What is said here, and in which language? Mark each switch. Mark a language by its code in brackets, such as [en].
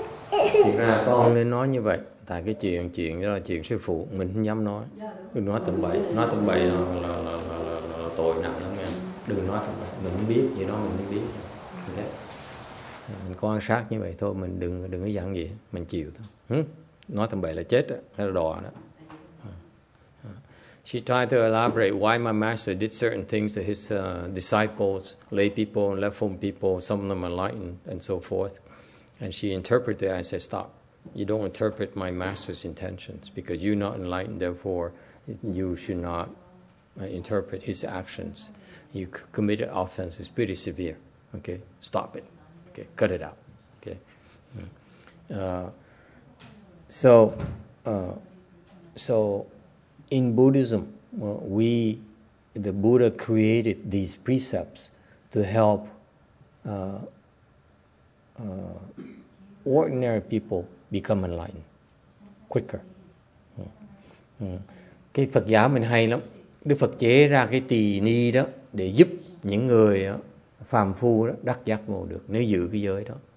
[vi] Thực ra con nên nói như vậy, tại cái chuyện đó là chuyện sư phụ, mình không dám nói. Đừng nói tầm bậy, là tội nặng lắm em. Đừng nói tầm bậy, mình mới biết vậy đó, mình mới biết. Okay. Mình quan sát như vậy thôi, mình đừng có dặn gì, mình chịu thôi. Nói tầm bậy là chết đó, hay là đòa đó. [en] She tried to elaborate why my master did certain things to his disciples, lay people, left home people, some of them enlightened, and so forth. And she interpreted it. I said, stop. You don't interpret my master's intentions because you're not enlightened. Therefore, you should not interpret his actions. You committed offense. It's pretty severe. Okay? Stop it. Okay? Cut it out. Okay? So in Buddhism, the Buddha created these precepts to help ordinary people become enlightened quicker. [vi] Cái Phật giáo mình hay lắm. Đức Phật chế ra cái tỳ ni đó để giúp những người đó, phàm phu đó, đắc giác ngộ được nếu giữ cái giới đó.